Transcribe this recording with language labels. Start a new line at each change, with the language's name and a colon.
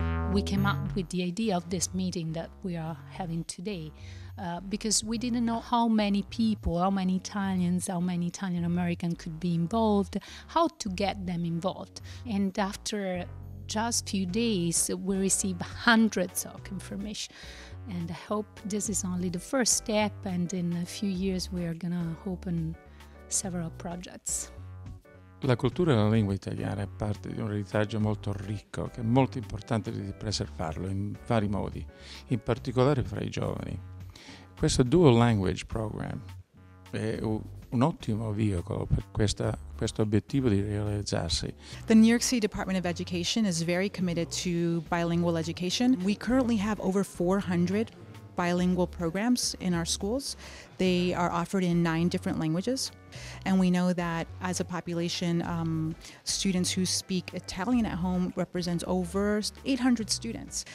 English: We came up with the idea of this meeting that we are having today because we didn't know how many people, how many Italians, how many Italian Americans could be involved, how to get them involved. And after just a few days, we received hundreds of information. And I hope this is only the first step, and in a few years we are gonna open several projects.
Italian: La cultura e la lingua italiana è parte di un retaggio molto ricco che è molto importante di preservarlo in vari modi, in particolare fra i giovani. Questo dual language program è un ottimo veicolo per questo obiettivo di realizzarsi.
English: The New York City Department of Education is very committed to bilingual education. We currently have over 400 bilingual programs in our schools. They are offered in 9 different languages. And we know that as a population, students who speak Italian at home represents over 800 students.